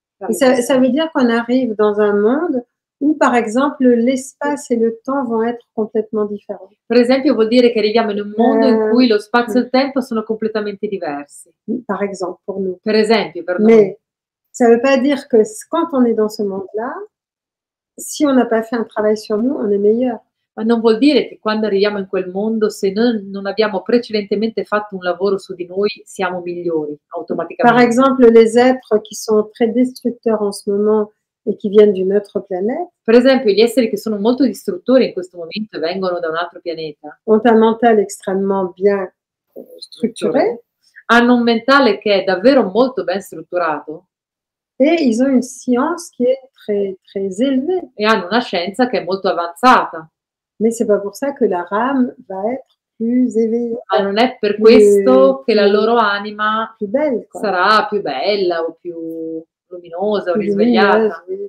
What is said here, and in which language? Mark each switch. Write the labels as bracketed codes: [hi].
[fr] Ça veut dire qu'on arrive dans un monde où, par exemple, l'espace et le temps vont être complètement différents. [it] Per esempio, vuol dire che arriviamo in un mondo in cui lo spazio e il tempo sono completamente diversi. [fr] Par exemple, pour nous. [it] Per esempio, per noi. [fr] Ça veut pas dire que quand on est dans ce monde-là, si on n'a pas fait un travail sur nous, on est meilleur. [it] Ma non vuol dire che quando arriviamo in quel mondo, se noi non abbiamo precedentemente fatto un lavoro su di noi, siamo migliori automaticamente. [fr] Par exemple, les êtres qui sont très destructeurs en ce moment et qui viennent d'une autre planète. [it] Per esempio, gli esseri che sono molto distruttori in questo momento e vengono da un altro pianeta. [fr] Ont un mental extrêmement bien structuré. [it] Hanno un mentale che è davvero molto ben strutturato. [fr] E ils ont une science qui est très très élevée. [it] E hanno una scienza che è molto avanzata. [fr] Mais c'est pas pour ça que la âme va être plus éveillée. [it] Ma non è per questo che la loro anima sarà più bella o più luminosa o risvegliata.